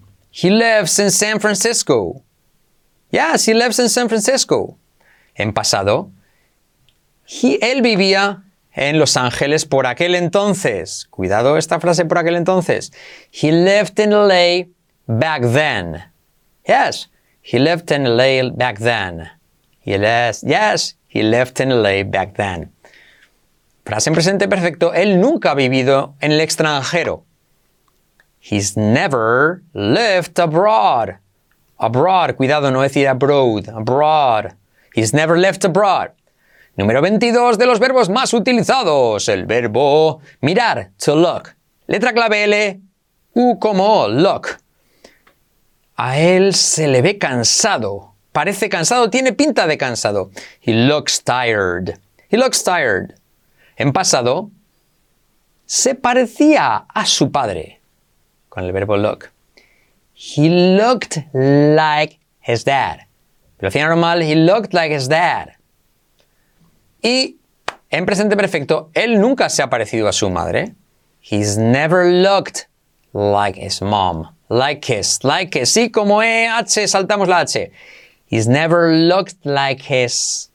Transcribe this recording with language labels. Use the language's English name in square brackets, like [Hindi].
[English] He lives in San Francisco. Yes, he lives in San Francisco. [Spanish] En pasado, él vivía en Los Ángeles por aquel entonces. Cuidado esta frase, por aquel entonces. [English] He lived in LA back then. Yes, he lived in LA back then. Yes, he lived in LA back then. [Spanish] Frase en presente perfecto. Él nunca ha vivido en el extranjero. [English] He's never lived abroad. Abroad. [Spanish] Cuidado, no decir [English] abroad. Abroad. He's never lived abroad. [Spanish] Número 22 de los verbos más utilizados, el verbo mirar, to look. Letra clave L, U como O, look. A él se le ve cansado, parece cansado, tiene pinta de cansado. [English] He looks tired, he looks tired. [Spanish] En pasado, se parecía a su padre, con el verbo look. [English] He looked like his dad. [Spanish] Velocidad normal, [English] he looked like his dad. [Spanish] Y en presente perfecto, él nunca se ha parecido a su madre. [English] He's never looked like his mom. Like his. [Spanish] Sí, como E, H, saltamos la H. [English] He's never looked like his...